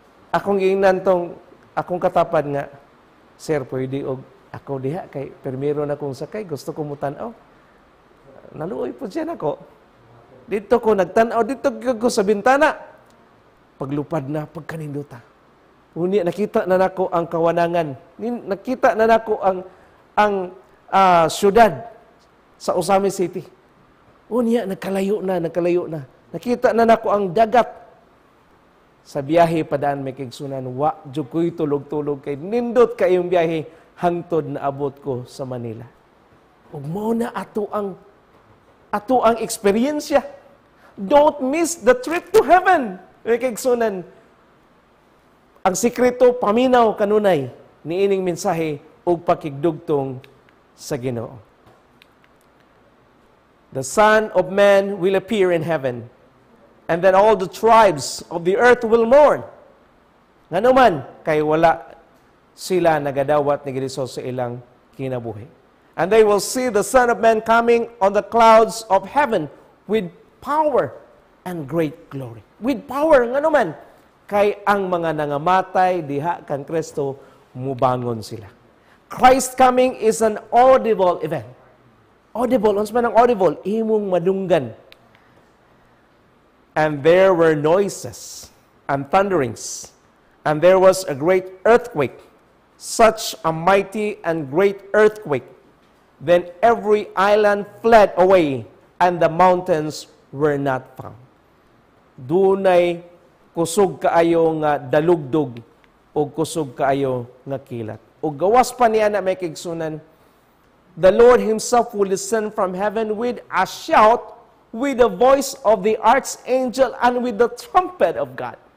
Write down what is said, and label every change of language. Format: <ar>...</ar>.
<ceb>Akong giingnan tong, akong katapad nga, "Sir, pwede og ako diha, kay primero na kong sakay, gusto ko mutanaw." Naluoy po dyan ako. Dito ko nagtanaw, dito ko sa bintana. Paglupad na, pagkanindota. Uni, nakita na nako ang kawanangan. Nakita na nako ang syudad sa Osami City. Unya, nakalayo na. Nakita na nako ang dagat sa biyahe padaan may kigsunan, wa jud ko'y tulog-tulog kay nindot kayong biyahe hangtod na abot ko sa Manila. Ug mao na ato ang eksperyensya.</ceb> <en>Don't miss the trip to heaven.</en> <ceb>May kigsunan, ang sikreto paminaw kanunay ni ining mensahe ug pakigdugtong sa Ginoo.</ceb> <en>The Son of Man will appear in heaven, and then all the tribes of the earth will mourn.</en> <ceb>Nganuman kay wala sila nagadawat ni Kristo sa ilang kinabuhi.</ceb> <en>And they will see the Son of Man coming on the clouds of heaven with power and great glory. With power,</en> <ceb>nganuman kay ang mga nangamatay diha kan Kristo mubangon sila.</ceb> <en>Christ coming is an audible event. Audible,</en> <ceb>unsa man ang</ceb> <en>audible?</en> <ceb>Imong madunggan.</ceb> <en>And there were noises and thunderings, and there was a great earthquake, such a mighty and great earthquake. Then every island fled away, and the mountains were not found.</en> <ceb>Dunay kusog kaayo nga dalugdog, o kusog kaayo nga kilat. O gawas pa niya na may kigsunan,</ceb> <en>the Lord Himself will descend from heaven with a shout, with the voice of the archangel and with the trumpet of God.</en>